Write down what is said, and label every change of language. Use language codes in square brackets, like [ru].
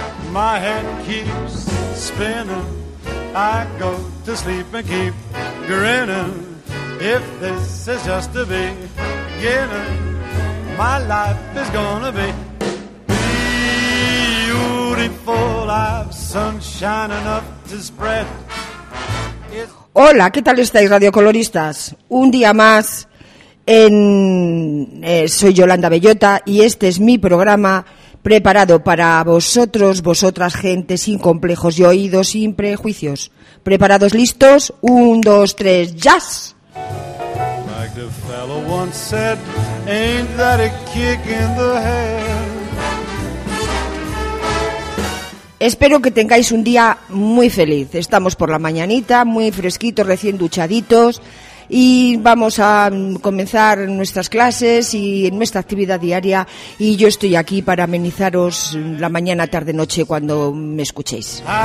[en] My head keeps spinning. I go to sleep and keep grinning. If this is just the beginning, my life is gonna be beautiful. I've sunshine enough to spread. [es] Hola, ¿qué tal estáis, radiocoloristas? Un día más en soy Yolanda Bellota y este es mi programa preparado para vosotros, vosotras, gente sin complejos y oídos, sin prejuicios. ¿Preparados, listos? Un, dos, tres, ¡jazz! [en] Like the fellow once said, ain't that a kick in the head? [es] Espero que tengáis un día muy feliz. Estamos por la mañanita, muy fresquitos, recién duchaditos. Y vamos a comenzar nuestras clases y nuestra actividad diaria. Y yo estoy aquí para amenizaros la mañana, tarde, noche, cuando me escuchéis.